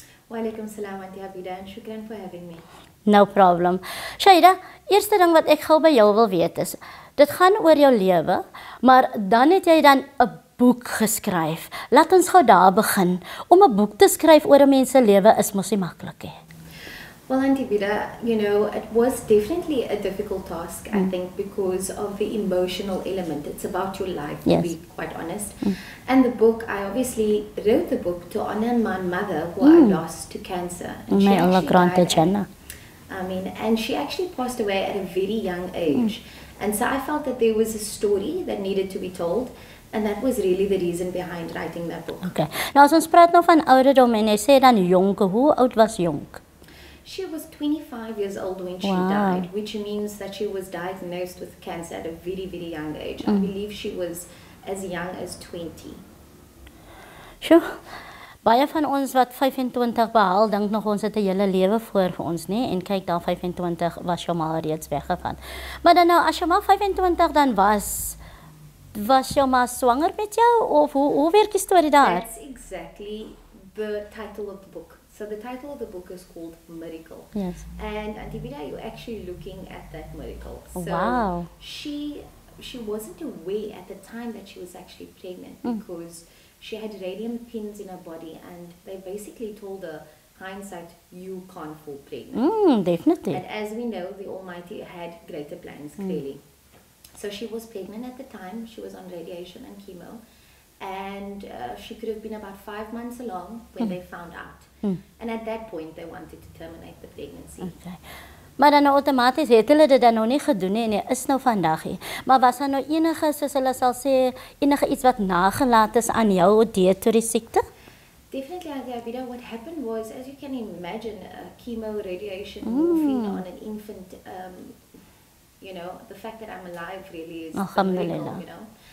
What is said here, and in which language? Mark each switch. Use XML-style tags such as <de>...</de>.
<af>Wa alaikum salam aan die Abida en shukran</af> <en>for having me. No problem.</en> <af>Shahida, eerste ding wat ek gou by jou wil weet is, dit gaan oor jou lewe, maar dan het jy dan 'n boek geskryf. Laat ons gou daar begin. Om 'n boek te skryf oor 'n mens se lewe is mos nie maklik nie.</af> <en>Well, Auntie Bida, you know, it was definitely a difficult task, I think, because of the emotional element. It's about your life, to be quite honest. Mm. And the book, I obviously wrote the book to honor my mother, who I lost to cancer. And may Allah grant her Jannah. And she actually passed away at a very young age. Mm. And so I felt that there was a story that needed to be told. And that was really the reason behind writing that book.</en> <af>Okay. Nou, as ons praat nou van ouderdom en jy sê dan jonk, hoe oud was jonk?</af> <en>She was 25 years old when she died, which means that she was diagnosed with cancer at a very, very young age. Mm. I believe she was as young as 20. Sure.</en> <af>Baie van ons wat 25 behaal, dink nog ons het 'n hele lewe voor vir ons, nie? En kyk, daar 25 was jou ma reeds weggevat. Maar dan nou, as jou ma 25 dan was, was jou ma swanger met jou? Of hoe werk die story daar?</af> <en>That's exactly the title of the book. So the title of the book is called Miracle. Yes. And Auntie Bida, you're actually looking at that miracle. So wow. She wasn't aware at the time that she was actually pregnant because she had radium pins in her body and they basically told her, hindsight, you can't fall pregnant. Definitely. And as we know, the Almighty had greater plans, clearly. So she was pregnant at the time. She was on radiation and chemo. And she could have been about 5 months along when they found out. And at that point, they wanted to terminate the pregnancy.</en> <af>Okay. Maar dan nou automaties het hulle dit dan nog nie gedoen nie en hy is nou vandag hier. Maar was daar nou enige, soos hulle sal sê, enige iets wat nagelaat is aan jou deur tot die siekte?</af> <en>Definitely, Abida. What happened was, as you can imagine, chemo, radiation, morphine on an infant, you know, the fact that I'm alive really is a miracle, you know.</en>